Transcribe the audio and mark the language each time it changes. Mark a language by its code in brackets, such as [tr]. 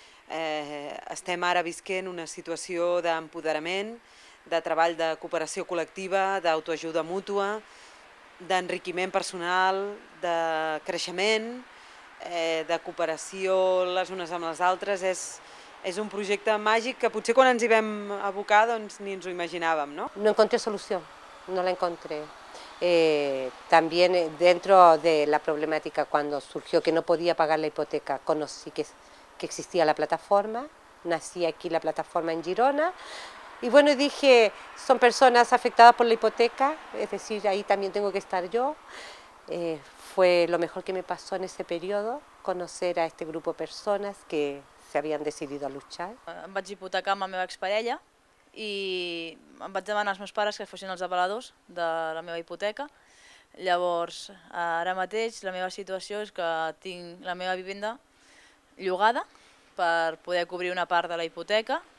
[ca] Estem ara vivint una situació d'empoderament, de treball de cooperació col·lectiva, d'autoajuda mútua, d'enriquiment personal, de creixement, de cooperació les unes amb les altres. És un projecte màgic que potser quan ens hi vam abocar doncs, ni ens ho imaginàvem. [es] No, no encontré solució, no la encontré. También dentro de la problemática, cuando surgió que no podía pagar la hipoteca, conocí que existía la plataforma, nací aquí la plataforma en Girona, y bueno, dije, son personas afectadas por la hipoteca, es decir, ahí también tengo que estar yo. Fue lo mejor que me pasó en ese periodo, conocer a este grupo de personas que se habían decidido a luchar. [ca] Em vaig hipotecar amb la meva exparella i em vaig demanar als meus pares que fossin els avaladors de la meva hipoteca. Llavors, ara mateix, la meva situació és que tinc la meva vivenda llogada per poder cobrir una part de la hipoteca.